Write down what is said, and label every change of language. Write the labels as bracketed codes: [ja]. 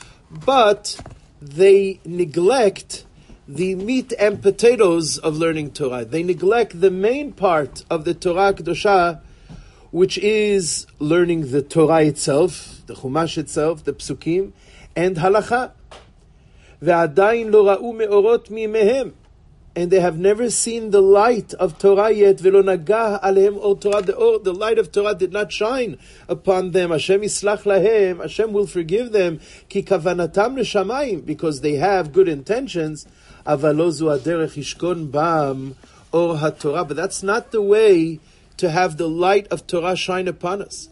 [en] But they neglect the meat and potatoes of learning Torah. They neglect the main part of the Torah Kedosha, which is learning the Torah itself, the Chumash itself, the Psukim, and Halakha. [he] ועדיין לא ראו מאורות מימיהם. [en] And they have never seen the light of Torah yet, [he] ולא נגע עליהם אור תורה דאור. [en] The light of Torah did not shine upon them. [he] Hashem יסלח להם, [en] Hashem will forgive them, [he] כי כוונתם לשמיים, [en] because they have good intentions, [he] אבל לא זו הדרך ישכון בם אור התורה. [en] But that's not the way to have the light of Torah shine upon us.